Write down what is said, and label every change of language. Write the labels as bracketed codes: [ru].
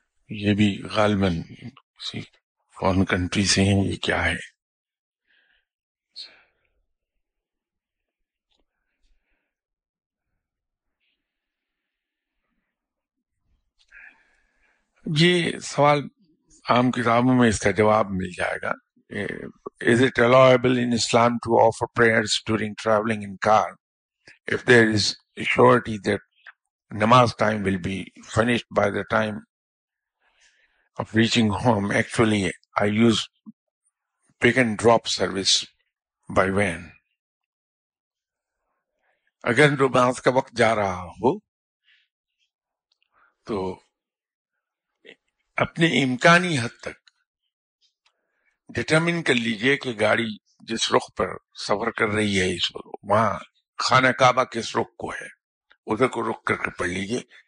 [ur] یہ بھی غالباً فورن کنٹری سے ہیں, یہ کیا ہے. یہ سوال عام کتابوں میں اس کا جواب مل جائے گا. [en] Is it allowable in Islam to offer prayers during traveling in car if there is a surety that namaz time will be finished by the time of reaching home? Actually, I use pick and drop service by van. [ur] اگر نماز کا وقت جا رہا ہو تو اپنے امکانی حد تک ڈٹرمن کر لیجئے کہ گاڑی جس رخ پر سفر کر رہی ہے اس کو, وہاں خانہ کعبہ کس رخ کو ہے, ادھر کو رخ کر کے پڑھ لیجئے.